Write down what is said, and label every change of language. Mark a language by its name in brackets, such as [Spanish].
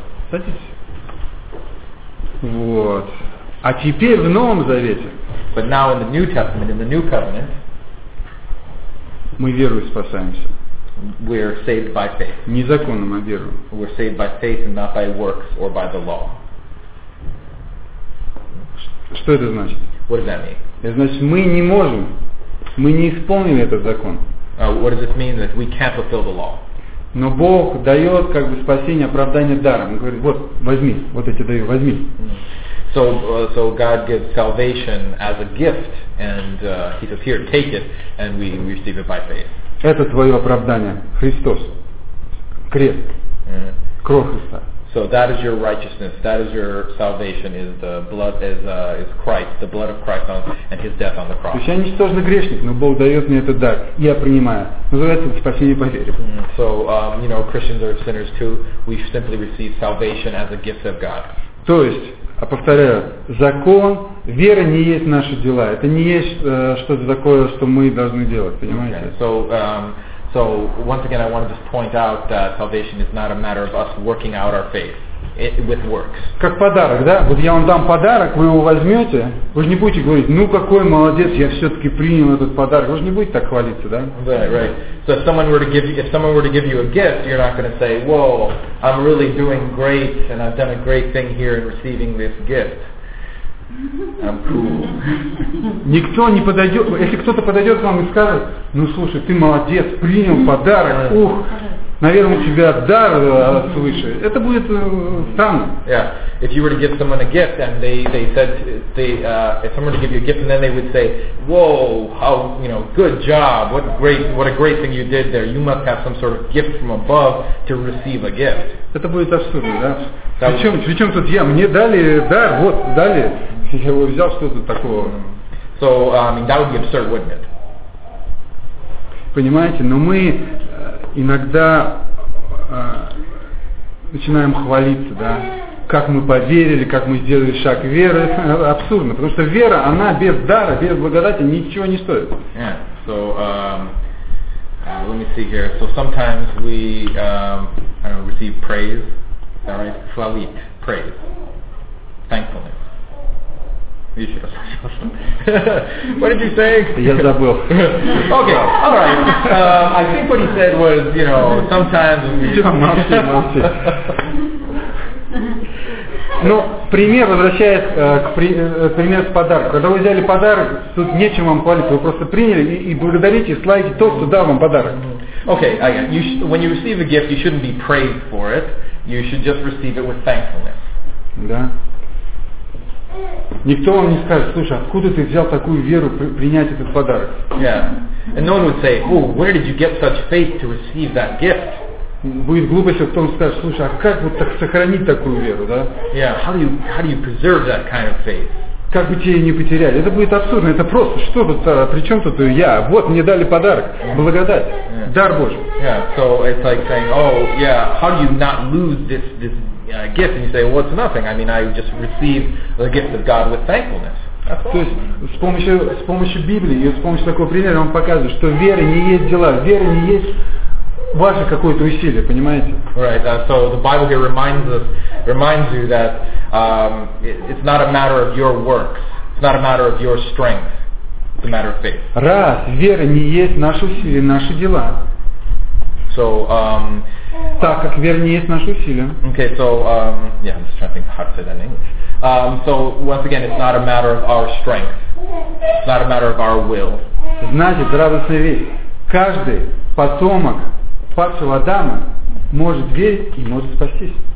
[Russian] Садитесь. Вот. А теперь в Новом Завете. [English] But now in the New Testament, in the New Covenant. [Russian] Мы верою спасаемся. [English] We're saved by faith. [Russian] Не законом, а верою. [English] We're saved by faith and not by works or by the law. [Russian] Что это значит? [English] What does that mean? [Russian] Это значит, мы не можем, мы не исполнили этот закон. [English] What does it mean that we can't fulfill the law? [Russian] Но Бог дает как бы спасение, оправдание даром. Он говорит, вот, возьми, вот эти даю, возьми. [English] So God gives salvation as a gift, and He says, here, take it, and we receive it by faith. [Russian] Это твое оправдание, Христос, крест, кровь Христа. [English] So that is your righteousness, that is your salvation, is the blood is Christ, the blood of Christ on, and his death on the cross. [Russian] То есть я ничтожный грешник, но Бог дает мне этот дар, я принимаю. Называется это спасение по вере. [English] So, you know, Christians are sinners too. We simply receive salvation as a gift of God. [Russian] То есть, а повторяю, закон, вера не есть наши дела. Это не есть что-то такое, что мы должны делать, понимаете? [English] Okay. So once again, I want to just point out that salvation is not a matter of us working out our faith with works. [Russian] Как подарок, да? Вот я вам дам подарок, вы его возьмете, вы же не будете говорить, ну какой молодец, я все-таки принял этот подарок. Вы же не будете так хвалиться, да? [English] Right. So if someone were to give you a gift, you're not going to say, whoa, I'm really doing great and I've done a great thing here in receiving this gift. I'm cool. [Russian] Никто не подойдет. Если кто-то подойдет к вам и скажет, ну слушай, ты молодец, принял подарок, ух, наверное, у тебя дар свыше. Это будет странно. [English] Yeah. If you were to give someone a gift and they said they if someone were to give you a gift and then they would say, whoa, how you know, good job, what a great thing you did there. You must have some sort of gift from above to receive a gift. [Russian] Это будет абсурдно, да? Причем тут я? Мне дали дар, вот, дали. Я его взял, что тут такого? [English] So, I mean, that would be absurd, wouldn't it? [Russian] Понимаете, но мы иногда начинаем хвалиться, да? Как мы поверили, как мы сделали шаг веры. Абсурдно, потому что вера, она без дара, без благодати ничего не стоит. [English] Yeah, so, let me see here. So, sometimes we receive praise. All right, chvalit, praise, thankfulness. What did you say? [Russian] Я забыл. [English] Okay, all right. I think what he said was, you know, sometimes. [Russian] Молчи. Ну, пример возвращает пример с подарком. Когда вы взяли подарок, тут нечем вам хвалить, вы просто приняли и благодарите, славите то, что дал вам подарок. [English] Okay, again, when you receive a gift, you shouldn't be praised for it. You should just receive it with thankfulness. [Russian] Да. Никто вам не скажет, слушай, откуда ты взял такую веру принять этот подарок? [English] Yeah. And no one would say, oh, where did you get such faith to receive that gift? [Russian] Будет глупо, если кто-то скажет, слушай, а как вот так сохранить такую веру, да? [English] Yeah. How do you preserve that kind of faith? [Russian] Как бы тебе не потеряли? Это будет абсурдно. Это просто, что тут, а при чем тут я? Вот, мне дали подарок, благодать, [English] yeah. [Russian] дар Божий. [English] Yeah. So it's like saying, oh, yeah, how do you not lose this gift? And you say, well, it's nothing. I mean, I just received the gift of God with thankfulness. [Russian] То есть с помощью Библии и с помощью такого примера он показывает, что вера не есть дела, вера не есть ваше какое-то усилие, понимаете? [English] Right. So the Bible here reminds you that it's not a matter of your works. It's not a matter of your strength. It's a matter of faith. [Russian] Раз вера не есть наши усилия, наши дела. [English] So [Russian] так как вера не есть наши усилия. [English] Okay. So yeah, I'm just trying to think how to say that in English. So once again, it's not a matter of our strength. It's not a matter of our will. [Russian] Значит, радостная весть. Каждый потомок падшего Адама может верить и может спастись.